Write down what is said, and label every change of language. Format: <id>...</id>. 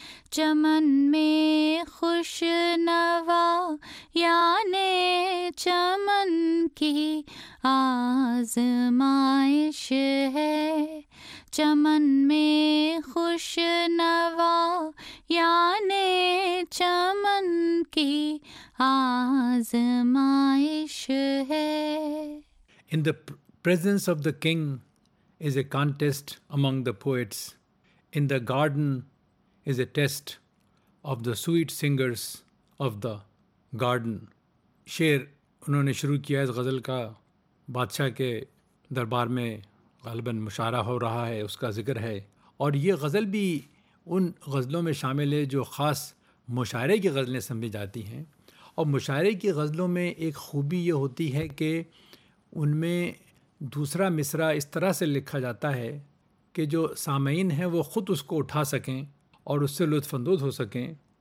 <ur>چمن میں خوش نوا یعنی چمن کی آزمائش ہے، چمن میں خوش نوا یعنی چمن کی آزمائش ہے.</ur> <en>In the presence of the king is a contest among the poets, in the garden is a test of the sweet singers of the garden.</en> <ur>شعر انہوں نے شروع کیا اس غزل کا بادشاہ کے دربار میں، غالباً مشاعرہ ہو رہا ہے، اس کا ذکر ہے. اور یہ غزل بھی ان غزلوں میں شامل ہے جو خاص مشاعرے کی غزلیں سمجھی جاتی ہیں. اور مشاعرے کی غزلوں میں ایک خوبی یہ ہوتی ہے کہ ان میں دوسرا مصرع اس طرح سے لکھا جاتا ہے کہ جو سامعین ہیں وہ خود اس کو اٹھا سکیں اور اس سے لطف اندوز ہو سکیں.</ur>